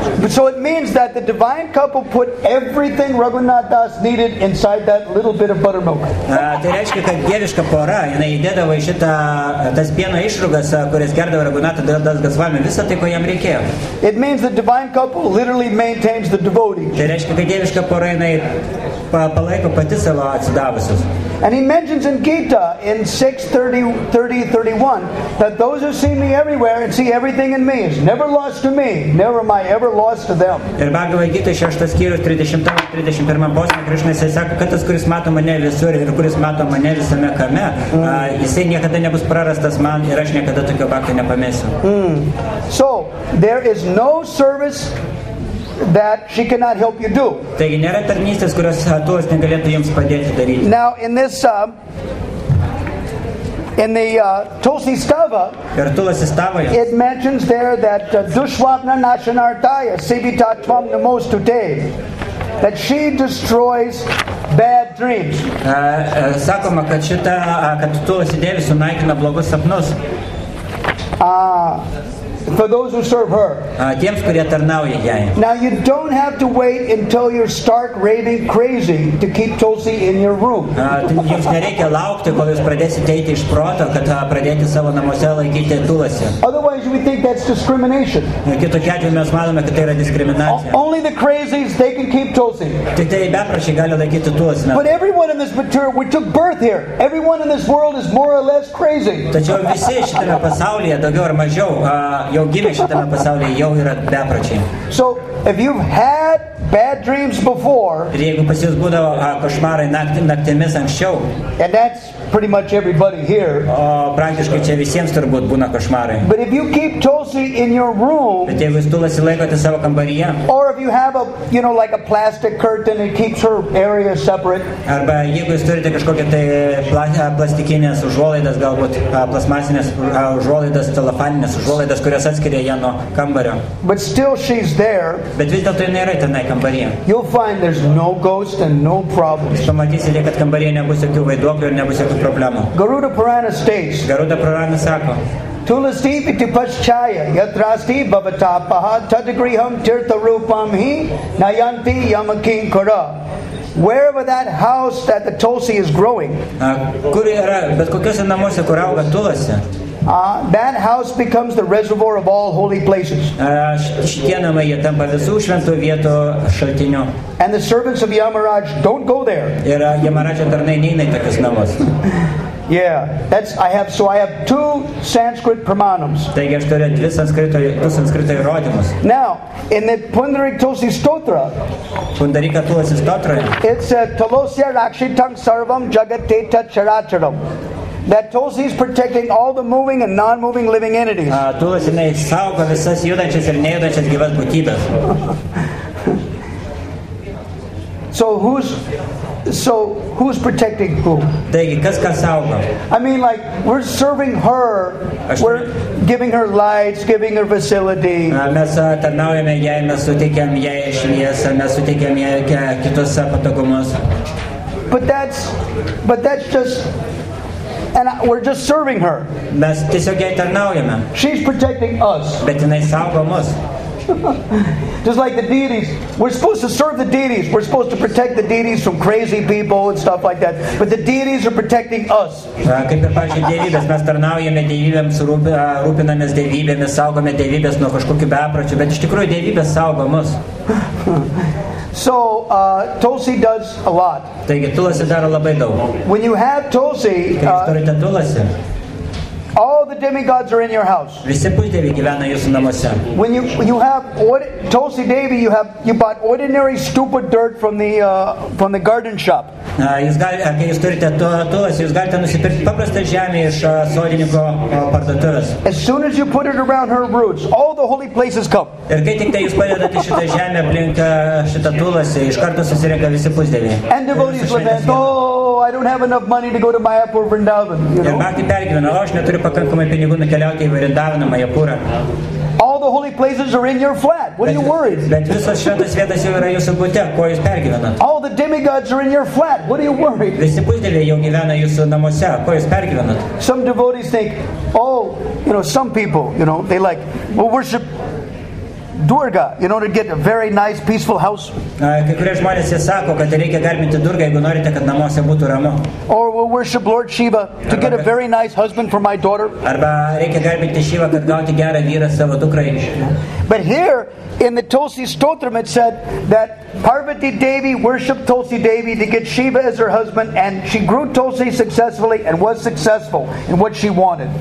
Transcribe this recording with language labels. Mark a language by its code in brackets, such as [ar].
[en] So it means that the divine couple put everything Raghunath Das needed inside that little bit of buttermilk. [lt] Tai reiškia, kad dieviška pora, jinai įdėdavo į šitą tas pieno išrūgas, kuris gerdavo Raghunath Das Gosvami, visą tai, ko jam reikėjo. [en] It means the divine couple literally maintains the devotee. [lt] Tai reiškia, kad dieviška pora, jinai palaiko pati savo atsidavusius. [en] And he mentions in Gita in 6:30-31 that those who see me everywhere and see everything in me is never lost to me, never am I ever lost to them. [lt] Ir Bhagavad Gita 6 skyrius 30-31 posmė, Krishna sako, kad tas, kuris mato mane visur ir kuris mato mane visame kame, jisai niekada nebus prarastas man ir aš niekada tokio bhakti nepamėsiu. [en] So there is no service that she cannot help you do. [lt] Taigi nėra tarnystės, kurios tuos negalėtų jums padėti daryti. [en] Now in this in the Tulsi Stava, it mentions there that [sa] Dushvapna Nashanartaya Sivita Tvam Namostute, [en] that she destroys bad dreams. [lt] Sakoma, kad šita, kad Tulsi Devi sunaikina blogus sapnus. [en] for those who serve her. Тем, в которой я тернаю я. Now you don't have to wait until you're stark raving crazy to keep Tulsi in your room. [lt] Jums nereikia laukti, kol jūs pradėsite eiti iš proto, kad pradėti savo namuose laikyti Tulsi. [en] Otherwise we think that's discrimination. [lt] Kitokiu atveju mes manome, kad tai yra diskriminacija. [en] Only the crazies, they can keep Tulsi. [lt] Tik tai bepročiai gali laikyti Tulsi. [en] But everyone in this material, we took birth here. Everyone in this world is more or less crazy. [lt] Tačiau visi šitame pasaulyje, daugiau ar mažiau, jau gimė šitame pasaulyje, jau yra bepročiai. [en] So, if you've had bad dreams before, [lt] ir jeigu pas jūs būdavo košmarai naktimis anksčiau, [en] and that's pretty much everybody here. [lt] Praktiškai čia visiems turbūt būna košmarai. [en] But if you keep Tulsi in your room, [lt] bet jeigu jūs Tulsi laikote savo kambaryje, [en] or if you have a, you know, like a plastic curtain and keeps her area separate, [lt] arba jeigu jūs turite kažkokią tai plastikinės užuolaidas, galbūt plasmasinės užuolaidas, telefoninės užuolaidas, kurias atskiria ją nuo kambario. [en] But still she's there. [lt] Bet vis dėlto jinai yra tenai kambaryje. [en] You'll find there's no ghost and no problems. [lt] Pamatysite, kad kambaryje nebus jokių vaiduoklių ir nebus [en] Garuda Purana states. [lt] Garuda Purana sako. [sa] Tulasi iti paschaya yatrasti bhavatapah tadgriham tirtharupam hi nayanti yamakin kara. [en] Wherever that house that the Tulsi is growing. [lt] Kur yra, bet kokiuose namuose kur auga Tulsi? [en] That house becomes the reservoir of all holy places. [lt] Šitie namai jie tampa visų šventų vietų šaltiniu. [en] And the servants of Yamaraj don't go there. [lt] Ir Yamaraja tarnai neina į tokius namus. [en] Yeah, that's I have two Sanskrit pramanams. [lt] Taigi aš turiu du sanskrito įrodymus. [en] Now, in the Pundarika Tulsi Stotra. Pundarika Tulsi Stotra. [sa] It's a Tulsi Rakshitam Sarvam Jagateta Characharam. [en] That Tulsi is protecting all the moving and non-moving living entities. [lt] Tulsi nei saugo visas judančias ir nejudančias gyvas būtybes. [en] So who's protecting who? [lt] Taigi, kas saugo? [en] I mean, like, we're serving her, we're giving her lights, giving her facility. [lt] Mes tarnaujame jai, mes suteikiam jai šviesą, mes suteikiam jai kitus patogumus. [en] But that's just... And we're just serving her. [lt] Mes tiesiog jai tarnaujame. [en] She's protecting us. [lt] Bet jinai saugo mus. [en] Just like the deities, we're supposed to serve the deities. We're supposed to protect the deities from crazy people and stuff like that. But the deities are protecting us. [lt] Kaip ir pačios dievybės, mes tarnaujame dievybėms, rūpinamės dievybėmis, saugome dievybės nuo kažkokių bepročių, bet iš tikrųjų dievybės saugo mus. [en] So Tulsi does a lot. [lt] Taigi Tulsi daro labai daug. [en] When you have Tulsi, [lt] kai jūs turite Tulsi, [en] all the demigods are in your house. [lt] Visi pusdieviai gyvena jūsų namuose. [en] When you have Tulsi Devi, you bought ordinary stupid dirt from the garden shop. [lt] Jūs turite Tulsi, jūs galite nusipirkti paprastą žemę iš sodininko parduotuvės. [en] As soon as you put it around her roots, all the holy places come. [lt] Ir kai tik jūs padedate šitą žemę aplink šitą Tulsi, iš karto susirenka visi pusdieviai. [en] And devotees lament, oh, I don't have enough money to go to Mayapur Vrindavan. [lt] Ir naktį pergyvena, aš neturiu pakankamai pinigų nukeliauti į Vrindavaną, Mayapurą. [en] All the holy places are in your flat. What are you worried? [lt] Bet visos šventos vietos jau yra jūsų bute. Kuo jūs pergyvenat? [en] All the demigods are in your flat. What are you worried? [lt] Visi pusdieviai jau gyvena jūsų namuose. Kuo jūs pergyvenat? [en] Some devotees think, oh, you know, some people, you know, they like, we'll worship Durga, you know, to get a very nice, peaceful house. [lt] Kai kurie žmonės jie sako, kad reikia garbinti Durgą, jeigu norite, kad namuose būtų ramu. [en] Or we'll worship Lord Shiva to get a very nice husband for my daughter. [lt] Arba reikia garbinti Shiva, kad gauti gerą vyrą savo dukrai. [en] But here, in the Tulsi Stotram, it said that Parvati Devi worshipped Tulsi Devi to get Shiva as her husband, and she grew Tulsi successfully and was successful in what she wanted.